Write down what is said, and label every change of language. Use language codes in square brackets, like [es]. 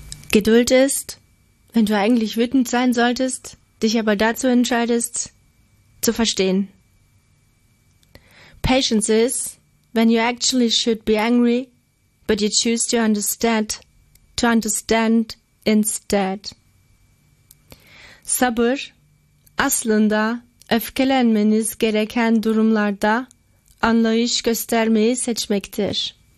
[de] Geduld ist, wenn du eigentlich wütend sein solltest, dich aber dazu entscheidest, zu verstehen. [en] Patience is, when you actually should be angry, but you choose to understand instead. [tr] Sabır, aslında öfkelenmeniz gereken durumlarda anlayış göstermeyi seçmektir.